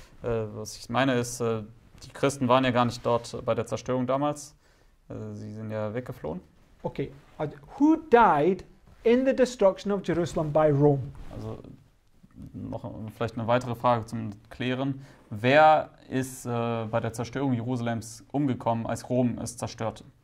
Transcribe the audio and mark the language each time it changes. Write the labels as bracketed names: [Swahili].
[German] Was ich meine ist, die Christen waren ja gar nicht dort bei der Zerstörung damals. Sie sind ja weggeflohen. [English] Okay, who died in the destruction of Jerusalem by Rome? [German] Also, noch vielleicht eine weitere Frage zum Klären. Wer ist bei der Zerstörung Jerusalems umgekommen, als Rom es zerstörte?